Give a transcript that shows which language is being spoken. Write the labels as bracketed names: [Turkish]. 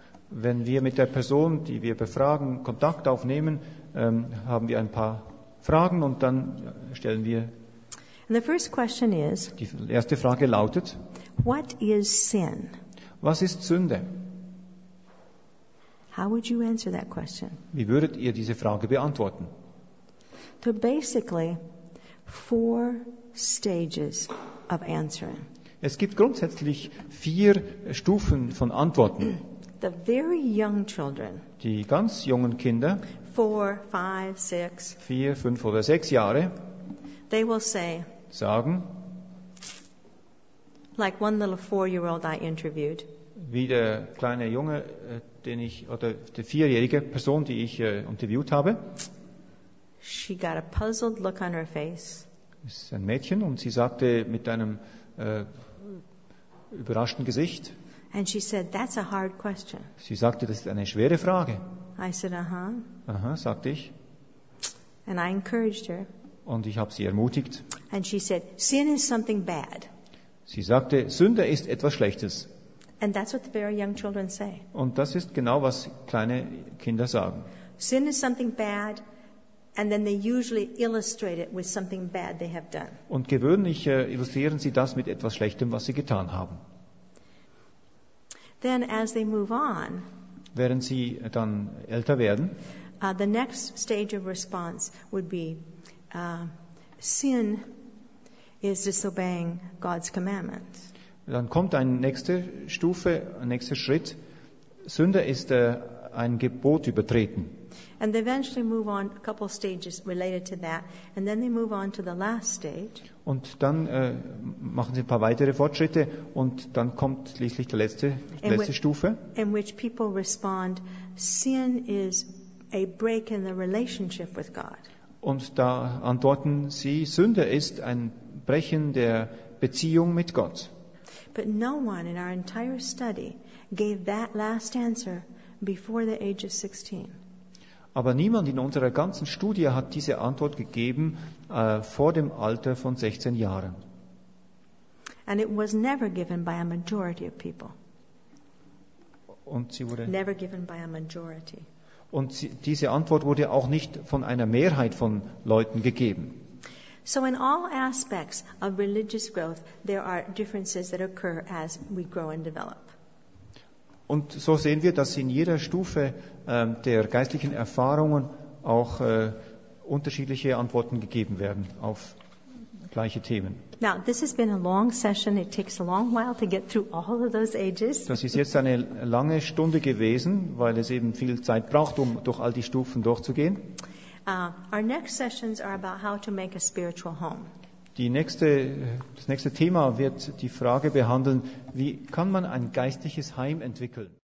[German] Wenn wir mit der Person, die wir befragen, Kontakt aufnehmen, haben wir ein paar Fragen und dann stellen wir. [English] And the first question is, [German] die erste Frage lautet: [English] What is sin? [German] Was ist Sünde? [English] How would you answer that question? [German] Wie würdet ihr diese Frage beantworten? [English] There are basically four stages of answering. [German] Es gibt grundsätzlich vier Stufen von Antworten. [English] The very young children, [German] die ganz jungen Kinder, [English] four, five, six, [German] vier, fünf oder sechs Jahre, [English] they will say, [German] sagen, [English] like one little four-year-old I interviewed, [German] wie der kleine Junge, den ich, oder die vierjährige Person, die ich interviewt habe. [English] She got a puzzled look on her face. [German] Es ist ein Mädchen und sie sagte mit einem überraschten Gesicht. [English] And she said, that's a hard question. [German] Sie sagte, das ist eine schwere Frage. [English] I said, uh-huh. [German] Aha, sagte ich. [English] And I encouraged her. [German] Und ich habe sie ermutigt. [English] And she said, sin is something bad. [German] Sie sagte, Sünde ist etwas Schlechtes. [English] And that's what the very young children say. [German] Und das ist genau, was kleine Kinder sagen. [English] Sin is something bad, and then they usually illustrate it with something bad they have done. [German] Und gewöhnlich illustrieren sie das mit etwas Schlechtem, was sie getan haben. [English] Then as they move on, [German] während sie dann älter werden, [English] the next stage of response would be sin is disobeying God's commandment. [German] Dann kommt eine nächste Stufe, ein nächster Schritt. Sünde ist ein Gebot übertreten. [English] And they eventually move on a couple stages related to that, and then they move on to the last stage. [German] Und dann machen sie ein paar weitere Fortschritte und dann kommt schließlich die letzte Stufe. [English] In which people respond, sin is a break in the relationship with God. [German] Und da antworten sie, Sünde ist ein Brechen der Beziehung mit Gott. [English] But no one in our entire study gave that last answer before the age of 16. [German] Aber niemand in unserer ganzen Studie hat diese Antwort gegeben vor dem Alter von 16 Jahren. [English] And it was never given by a majority of people. [German] Und sie wurde [English] never given by a majority. [German] Und diese Antwort wurde auch nicht von einer Mehrheit von Leuten gegeben. [English] So in all aspects of religious growth, there are differences that occur as we grow and develop. [German] Und so sehen wir, dass in jeder Stufe der geistlichen Erfahrungen auch unterschiedliche Antworten gegeben werden auf gleiche Themen. [English] Now, this has been a long session. It takes a long while to get through all of those ages. [German] Das ist jetzt eine lange Stunde gewesen, weil es eben viel Zeit braucht, um durch all die Stufen durchzugehen. [English] Our next sessions are about how to make a spiritual home. [German] Das nächste Thema wird die Frage behandeln, wie kann man ein geistliches Heim entwickeln?